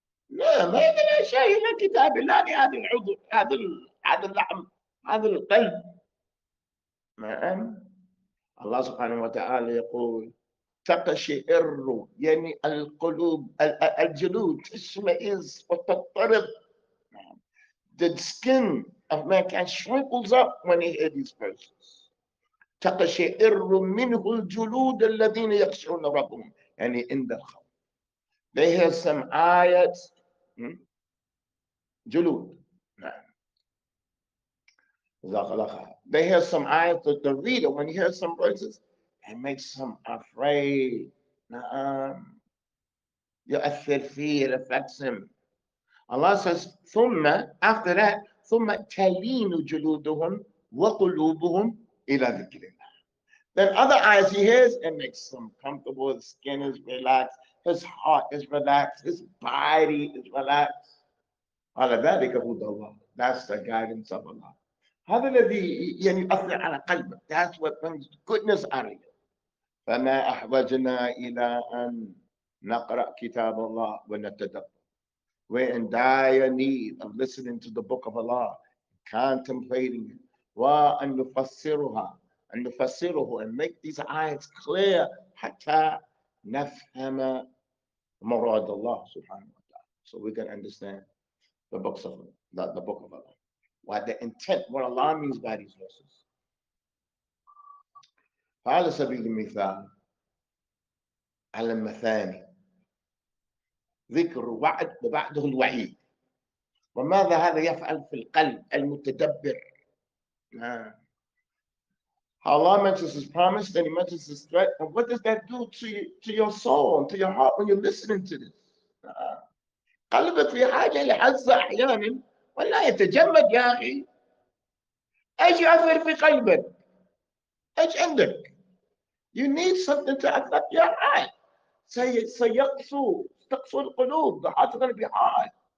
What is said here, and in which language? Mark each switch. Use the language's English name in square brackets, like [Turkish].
[Arabic] لا ما يقول شيء لا كتاب لا لهذا العضو هذا اللحم هذا القلب. ما أن الله سبحانه وتعالى يقول تقشعر يعني القلوب الجلود تشمئز وتضطرب. [English] The skin of man can shrinkles up when he hears these verses. [Arabic] تقشعر منه الجلود الذين يخشون ربهم يعني عند الخوف. [English] They hear some ayats. جلود. They hear some ayat that the reader, when he hears some verses, it makes him afraid. [Arabic] نعم. يؤثر فيه, [English] it affects him. Allah says, [Arabic] ثم, [English] after that, [Arabic] ثم تلين جلودهم وقلوبهم إلى ذكر الله. [English] Then other ayat he hears, it makes him comfortable, his skin is relaxed. His heart is relaxed. His body is relaxed. [Arabic] على ذلك هدى الله. [English] That's the guidance of Allah. [Arabic] هذا الذي يعني يؤثر على قلبك. [English] That's what brings goodness out of you. [Arabic] فما أحوجنا إلى أن نقرأ كتاب الله ونتدبر. [English] We're in dire need of listening to the book of Allah, contemplating it. [Arabic] وأن نفسرها. أن نفسره [English] and make these ayats clear [Arabic] حتى نفهم مراد الله سبحانه وتعالى. [English] So we can understand the books of the book of Allah. What the intent, what Allah means by these verses. [Arabic] فعلى سبيل المثال على المثاني ذكر وعد وبعده الوعيد. وماذا هذا يفعل في القلب المتدبر؟ [English] How Allah mentions His promise, then He mentions His threat. And what does that do to your soul and to your heart when you're listening to this? [Arabic] قلبك في حاجة لحظة أحيانًا ولا يتجمد يا أخي. إيش يأثر في قلبك؟ إيش عندك؟ [English] You need something to affect your heart. [Arabic] سيقسو تقسو القلوب. [English] The heart is going to be hard.